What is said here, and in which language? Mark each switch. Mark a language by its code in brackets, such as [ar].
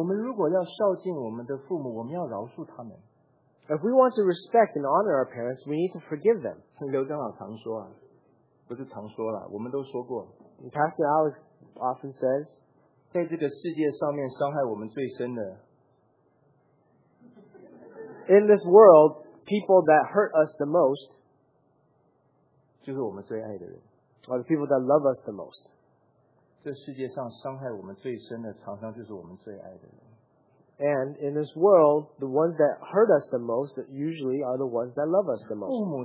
[zh] 我们如果要孝敬我们的父母，我们要饶恕他们。 [en] If we want to respect and honor our parents, we need to forgive them. [zh] 刘长老常说，不是常说了，我们都说过。 [en] Pastor Alex often says, [zh] 在这个世界上面伤害我们最深的。 [en] In this world, people that hurt us the most, [zh] 就是我们最爱的人。 [en] Are the people that love us the most. [zh] 这世界上伤害我们最深的，常常就是我们最爱的人。 [en] And in this world, the ones that hurt us the most usually are the ones that love us the most.